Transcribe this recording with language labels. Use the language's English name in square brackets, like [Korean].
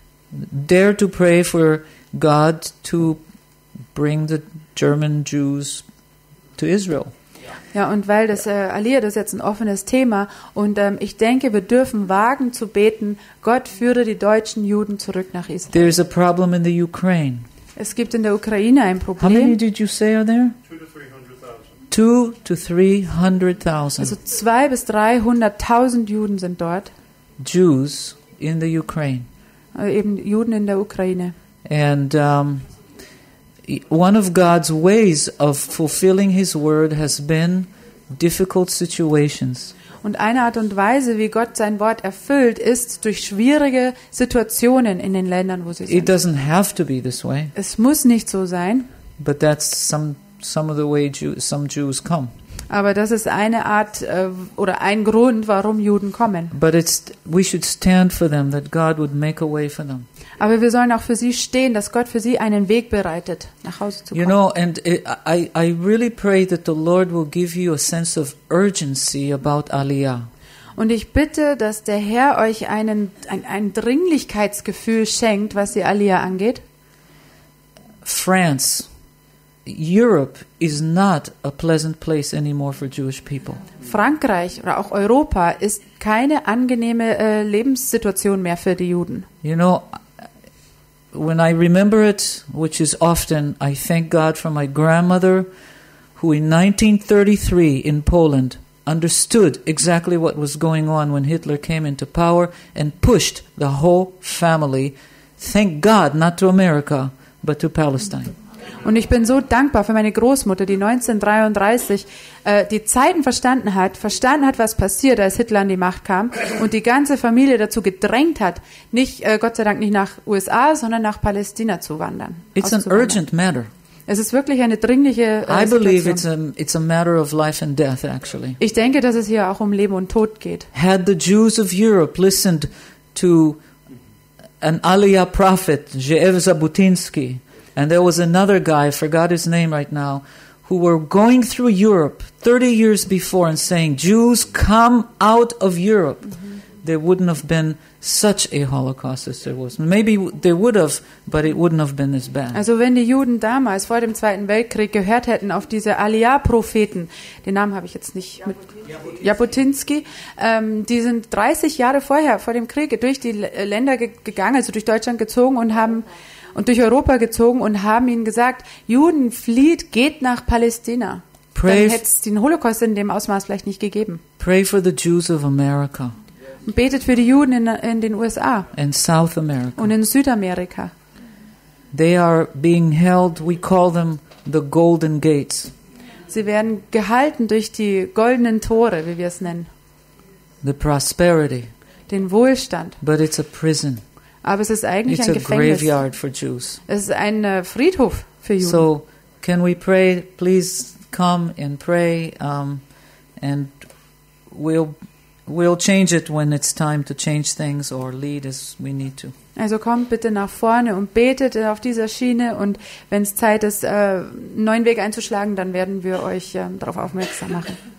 [English] Dare to pray for God to bring the German Jews to Israel. [German] Ja, und weil das Aliyah, das ist jetzt ein offenes Thema. Und ich denke, wir dürfen wagen zu beten, Gott führe die deutschen Juden zurück nach Israel. [English] There is a problem in the Ukraine. [German] Es gibt in der Ukraine ein Problem. [English] How many did you say are there? 200,000 to 300,000. [German] Also 200,000 to 300,000 Juden sind dort. [English] Jews in the Ukraine. [German] Also eben Juden in der Ukraine. [English] And one of God's ways of fulfilling His word has been difficult situations. [German] Und eine Art und Weise, wie Gott sein Wort erfüllt, ist durch schwierige Situationen in den Ländern, wo sie sind. [English] It doesn't have to be this way. [German] Es muss nicht so sein. [English] But that's some of the way some Jews come. [German] Aber das ist eine Art oder ein Grund, warum Juden kommen. [English] But it's we should stand for them that God would make a way for them. [German] Aber wir sollen auch für sie stehen, dass Gott für sie einen Weg bereitet, nach Hause zu kommen. [English] You know, and I really pray that the Lord will give you a sense of urgency about Aliyah. [German] Und ich bitte, dass der Herr euch ein Dringlichkeitsgefühl schenkt, was die Aliyah angeht. [English] France. Europe is not a pleasant place anymore for Jewish people. [German] Frankreich oder auch Europa ist keine angenehme Lebenssituation mehr für die Juden. [English] You know, when I remember it, which is often, I thank God for my grandmother, who in 1933 in Poland understood exactly what was going on when Hitler came into power and pushed the whole family, thank God, not to America, but to Palestine. [German] Und ich bin so dankbar für meine Großmutter, die 1933 die Zeiten verstanden hat, was passiert, als Hitler an die Macht kam und die ganze Familie dazu gedrängt hat, nicht Gott sei Dank nicht nach USA, sondern nach Palästina zu wandern. [English] It's an urgent matter. [German] Es ist wirklich eine dringliche Situation. [English] I believe it's a matter of life and death, actually. [German] Ich denke, dass es hier auch um Leben und Tod geht. [English] Had the Jews of Europe listened to an Aliyah prophet, Ze'ev Zabutinsky, and there was another guy, I forgot his name right now, who were going through Europe 30 years before and saying, Jews, come out of Europe. Mm-hmm. There wouldn't have been such a Holocaust as there was. Maybe there would have, but it wouldn't have been this bad. [German] Also wenn die Juden damals vor dem Zweiten Weltkrieg gehört hätten auf diese Aliyah-Propheten, den Namen habe ich jetzt nicht mit, Jabotinsky, die sind 30 Jahre vorher, vor dem Krieg, durch die Länder gegangen, also durch Deutschland gezogen und haben und durch Europa gezogen und haben ihnen gesagt, Juden, flieht, geht nach Palästina. [English] Pray, [German] dann hätte es den Holocaust in dem Ausmaß vielleicht nicht gegeben. [English] Pray for the Jews of America. [German] Und betet für die Juden in den USA. [English] And South America. [German] Und in Südamerika. [English] They are being held, we call them the Golden Gates. [German] Sie werden gehalten durch die goldenen Tore, wie wir es nennen. [English] The prosperity. [German] Den Wohlstand. [English] But it's a prison. [German] Aber es ist eigentlich ein Gefängnis. [English] Graveyard for Jews. [German] Es ist ein Friedhof für Juden. [English] So, can we pray? Please come and pray, and we'll change it when it's time to change things or lead as we need to. [German] Also kommt bitte nach vorne und betet auf dieser Schiene und wenn es Zeit ist, einen neuen Weg einzuschlagen, dann werden wir euch darauf aufmerksam machen.